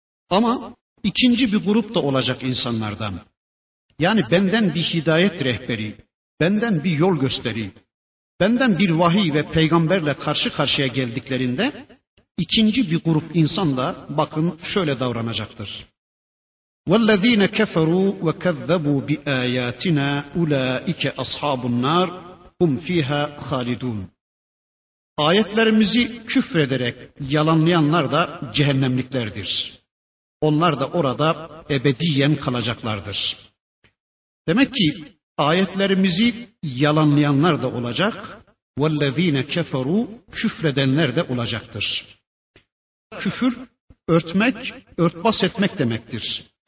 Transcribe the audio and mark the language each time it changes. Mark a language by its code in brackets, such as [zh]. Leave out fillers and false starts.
[tr] Ama ikinci bir grup da olacak insanlardan. Yani benden bir hidayet rehberi, benden bir yol gösteri, benden bir vahiy ve peygamberle karşı karşıya geldiklerinde, ikinci bir grup insan da bakın şöyle davranacaktır. [ar] وَالَّذ۪ينَ كَفَرُوا وَكَذَّبُوا بِآيَاتِنَا اُولَٰئِكَ أَصْحَابُ النَّارِ هُمْ ف۪يهَا خَالِدُونَ [tr] Ayetlerimizi küfrederek yalanlayanlar da cehennemliklerdir. Onlar da orada ebediyen kalacaklardır. Demek ki ayetlerimizi yalanlayanlar da olacak. [ar] وَالَّذ۪ينَ كَفَرُوا [tr] Küfredenler de olacaktır. Küfür, örtmek, örtbas etmek demektir.